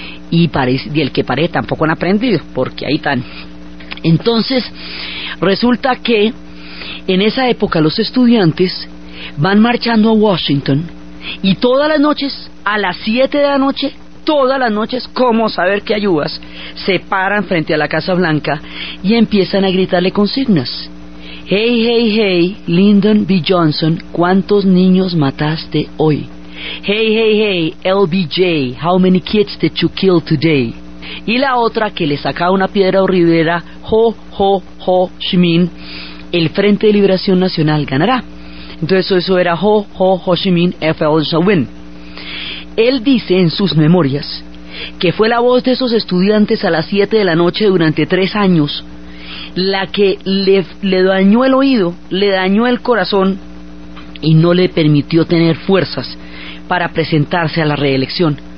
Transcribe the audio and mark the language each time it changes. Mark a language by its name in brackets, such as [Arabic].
[Spanish] Y del que parece tampoco han aprendido, porque ahí están. Entonces, resulta que en esa época los estudiantes van marchando a Washington, y todas las noches, a las 7 de la noche, todas las noches, como saber que ayudas, se paran frente a la Casa Blanca y empiezan a gritarle consignas. Hey, hey, hey, Lyndon B. Johnson, ¿cuántos niños mataste hoy? [English] Hey, hey, hey, LBJ, how many kids did you kill today? [Spanish] Y la otra, que le sacaba una piedra horrible, era Ho, Ho, Ho, Chi Minh, el Frente de Liberación Nacional ganará. Entonces eso era Ho, Ho, Ho, Chi Minh, [English] FL shall win. [Spanish] Él dice en sus memorias que fue la voz de esos estudiantes a las 7 de la noche durante 3 años la que le dañó el oído, le dañó el corazón y no le permitió tener fuerzas para presentarse a la reelección.